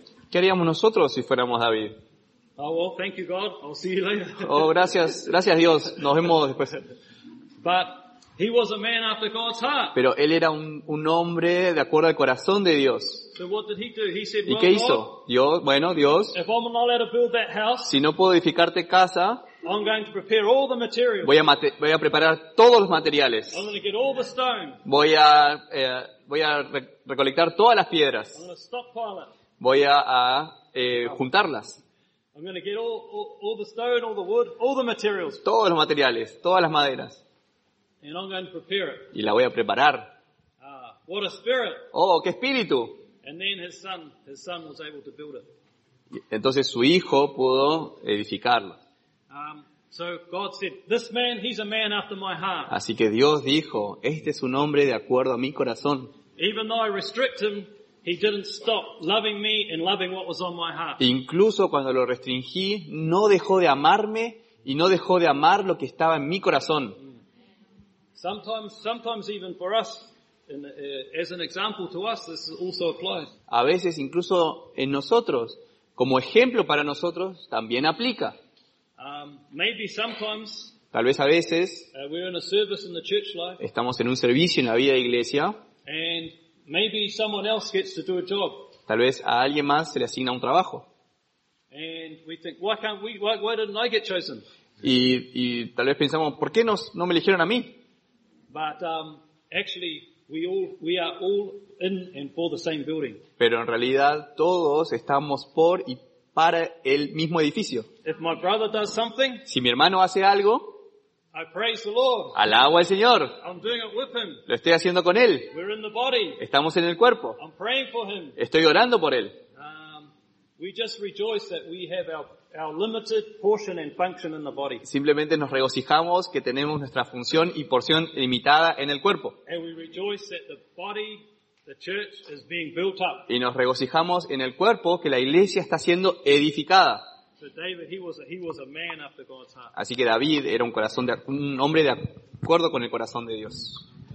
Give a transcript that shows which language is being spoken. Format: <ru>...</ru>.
<es>¿Qué haríamos nosotros si fuéramos David?</es> <en>Oh, well, thank you, God. I'll see you later.</en> <es>Oh, gracias, gracias Dios. Nos vemos después.</es> <en>But, he was a man after God's heart.</en> <es>Pero él era un hombre de acuerdo al corazón de Dios.</es> <en>So what did he do? He said,</en> <es>¿y qué hizo? Dios, bueno, Dios,</es> <en>if I'm not allowed to build that house,</en> <es>si no puedo edificarte casa,</es> <en>I'm going to prepare all the materials.</en> <es>Voy a preparar todos los materiales.</es> <en>I'm going to get all the stone.</en> <es>Voy a recolectar todas las piedras.</es> <en>I'm going to stockpile it.</en> <es>Voy a juntarlas.</es> <en>I'm going to get all the stone, all the wood, all the materials.</en> <es>Todos los materiales, todas las maderas.</es> <en>And I'm going to prepare it.</en> <es>Y la voy a preparar.</es> <en>What a spirit.</en> <es>Oh, qué espíritu.</es> <en>And then his son was able to build it.</en> <es>Entonces su hijo pudo edificarlo.</es> <en>So God said, this man, he's a man after my heart.</en> <es>Así que Dios dijo, este es un hombre de acuerdo a mi corazón.</es> <en>Even though I restrict him, he didn't stop loving me and loving what was on my heart.</en> <es>Incluso cuando lo restringí, no dejó de amarme y no dejó de amar lo que estaba en mi corazón.</es> <en>Sometimes even for us, as an example to us, this also applies.</en> <es>A veces incluso en nosotros, como ejemplo para nosotros, también aplica.</es> <en>Maybe sometimes.</en> <es>Tal vez a veces.</es> <en>We're in a service in the church life.</en> <es>Estamos en un servicio en la vida de iglesia.</es> <en>And maybe someone else gets to do a job.</en> <es>Tal vez a alguien más se le asigna un trabajo.</es> <en>And we think, why didn't I get chosen?</en> <es>Y tal vez pensamos, ¿por qué no me eligieron a mí?</es> <en>But actually, we are all in and for the same building.</en> <es>Pero en realidad todos estamos por y para el mismo edificio.</es> <en>If my brother does something,</en> <es>si mi hermano hace algo,</es> <en>I praise the Lord.</en> <es>Alabo al Señor.</es> <en>I'm doing it with him.</en> <es>Lo estoy haciendo con él.</es> <en>We're in the body.</en> <es>Estamos en el cuerpo.</es> <en>I'm praying for him.</en> <es>Estoy orando por él.</es> <en>We just rejoice that we have our limited portion and function in the body.</en> <es>Simplemente nos regocijamos que tenemos nuestra función y porción limitada en el cuerpo.</es> <en>And we rejoice that the body, the church, is being built up.</en> <es>Y nos regocijamos en el cuerpo que la iglesia está siendo edificada.</es> <en>So David, he was a man after God's heart.</en> <es>Así que David era un hombre de acuerdo con el corazón de Dios.</es>